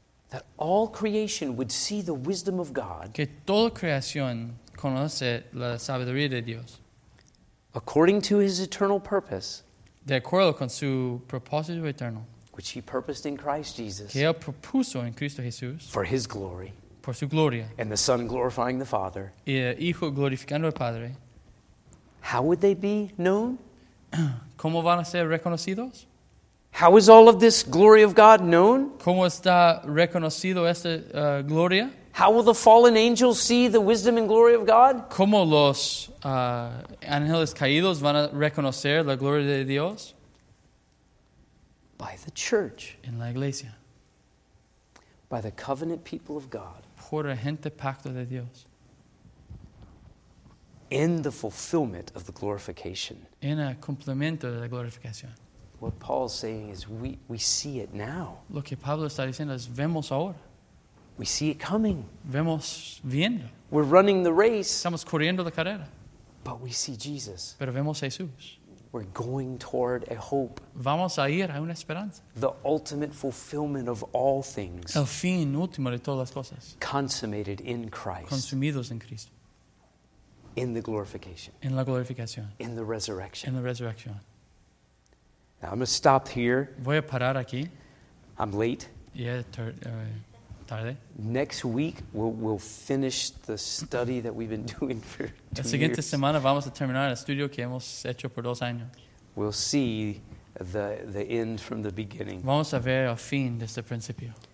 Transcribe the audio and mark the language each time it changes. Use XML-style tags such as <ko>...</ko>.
<en>That all creation would see the wisdom of God.</en> <es>Que toda creación conoce la sabiduría de Dios.</es> <en>According to His eternal purpose,</en> <es>de acuerdo con su propósito eterno,</es> <en>which he purposed in Christ Jesus,</en> <es>que él propuso en Cristo Jesús,</es> <en>for his glory,</en> <es>por su gloria,</es> <en>and the Son glorifying the Father,</en> <es>y el Hijo glorificando al Padre,</es> <en>how would they be known?</en> <es>¿Cómo van a ser reconocidos?</es> <en>How is all of this glory of God known?</en> <es>¿Cómo está reconocido esta gloria?</es> <en>How will the fallen angels see the wisdom and glory of God?</en> <es>¿Cómo los ángeles caídos van a reconocer la gloria de Dios?</es> <en>By the church.</en> <es>En la iglesia.</es> <en>By the covenant people of God.</en> <es>Por la gente pacto de Dios.</es> <en>In the fulfillment of the glorification.</en> <es>En el cumplimiento de la glorificación.</es> <en>What Paul is saying is we see it now.</en> <es>Lo que Pablo está diciendo es vemos ahora.</es> <en>We see it coming.</en> <es>Vemos viendo.</es> <en>We're running the race.</en> <es>Estamos corriendo la carrera.</es> <en>But we see Jesus.</en> <es>Pero vemos a Jesús.</es> <en>We're going toward a hope.</en> <es>Vamos a ir a una esperanza.</es> <en>The ultimate fulfillment of all things.</en> <es>El fin último de todas las cosas.</es> <en>Consummated in Christ.</en> <es>Consumidos en Cristo.</es> <en>In the glorification.</en> <es>En la glorificación.</es> <en>In the resurrection.</en> <es>En la resurrección.</es> <en>Now I'm going to stop here.</en> <es>Voy a parar aquí.</es> <en>I'm late.</en> <es>Yeah, tarde.</es> <en>Next week we'll finish the study that we've been doing for 2 years.</en> <es>La siguiente</es> <en>years.</en> <es>Semana vamos a terminar el estudio que hemos hecho por 2 años.</es> <en>We'll see the end from the beginning.</en> <es>Vamos a ver el fin desde el principio.</es>